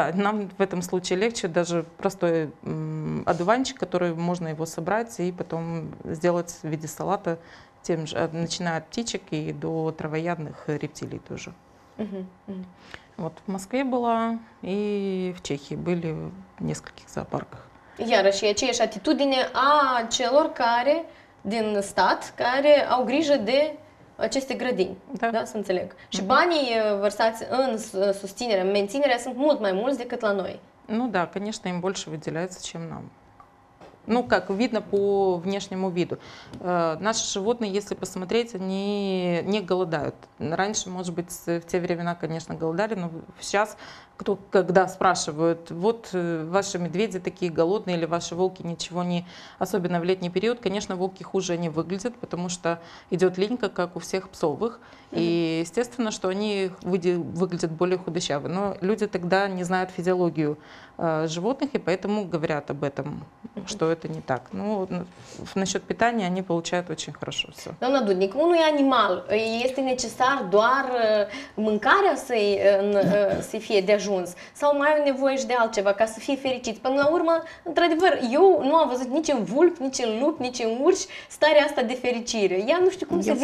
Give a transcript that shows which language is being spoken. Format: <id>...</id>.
<ru>Нам в этом случае легче даже простой одуванчик, который можно его собрать и потом сделать в виде салата, тем же, начиная от птичек и до травоядных рептилий тоже. Вот в Москве была и в Чехии были в нескольких зоопарках.</ru> <ro>Iarăși, aceeași atitudine a celor care din stat, care au grijă de aceste grădini, da, să înțeleg. Și banii vărsați în susținere, în menținere, sunt mult mai mulți decât la noi.</ro> <ru>Ну да, конечно, им больше выделяется, чем нам. Ну, как видно по внешнему виду. Наши животные, если посмотреть, они не голодают. Раньше, может быть, в те времена, конечно, голодали, но сейчас, когда спрашивают, вот ваши медведи такие голодные или ваши волки ничего не... Особенно в летний период, конечно, волки хуже они выглядят, потому что идет линька, как у всех псовых. И, естественно, что они выглядят более худощавы. Но люди тогда не знают физиологию животных, и поэтому говорят об этом, что это не так. Ну, насчет питания они получают очень хорошо все.</ru> <ro>Doamna Dudnic, unui animal este necesar doar mâncarea să-i fie de ajuns? Sau mai au nevoie și de altceva ca să fie fericit? Până la urmă, într-adevăr, eu nu am văzut nici în vulpi, nici în lup, nici în urși starea asta de fericire. Ea nu știu cum se vede.</ro>